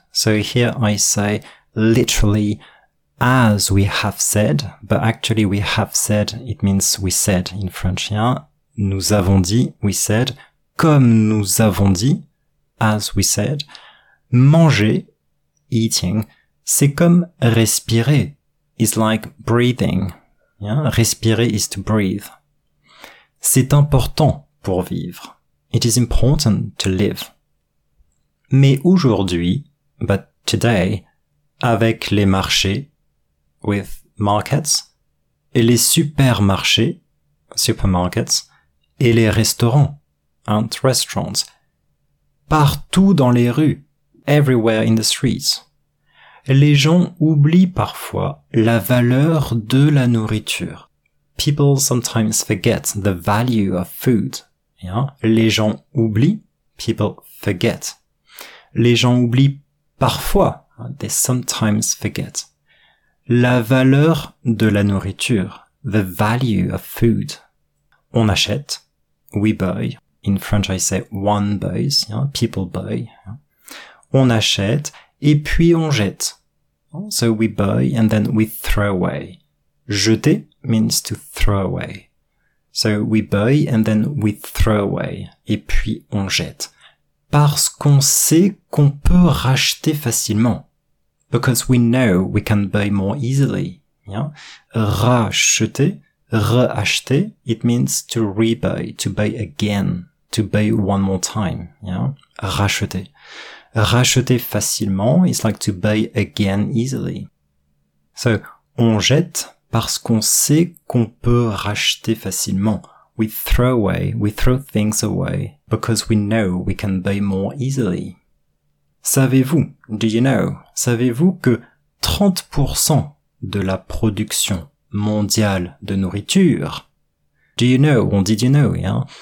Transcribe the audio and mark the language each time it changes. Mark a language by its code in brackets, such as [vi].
[en] So here I say literally as we have said, but actually we have said, it means we said in French, yeah. [fr] Nous avons dit, [en] we said, [fr] comme nous avons dit, [en] as we said, [fr] manger, eating, c'est comme respirer, [en] it's like breathing. Yeah, respirer is to breathe. [fr] C'est important pour vivre. [en] It is important to live. [fr] Mais aujourd'hui, [en] but today, [fr] avec les marchés, [en] with markets, [fr] et les supermarchés, supermarkets, et les restaurants, [en] and restaurants, [fr] partout dans les rues, [en] everywhere in the streets, [fr] les gens oublient parfois la valeur de la nourriture. [en] People sometimes forget the value of food. Yeah? [fr] Les gens oublient, [en] people forget. [fr] Les gens oublient parfois, [en] they sometimes forget, [fr] la valeur de la nourriture, [en] the value of food. [fr] On achète, [en] we buy, in French I say one buys, yeah? People buy. Yeah? [fr] On achète et puis on jette. [en] So we buy and then we throw away. Jeter means to throw away. So we buy and then we throw away. [fr] Et puis on jette. Parce qu'on sait qu'on peut racheter facilement. [en] Because we know we can buy more easily. Yeah? Racheter, re-acheter, it means to rebuy, to buy again, to buy one more time. Yeah? Racheter. [fr] Racheter facilement, [en] it's like to buy again easily. [fr] So, on jette parce qu'on sait qu'on peut racheter facilement. [en] We throw away, we throw things away because we know we can buy more easily. [fr] Savez-vous, [en] do you know, [fr] savez-vous que 30% de la production mondiale de nourriture, do you know, [en] or did you know, [fr] yeah?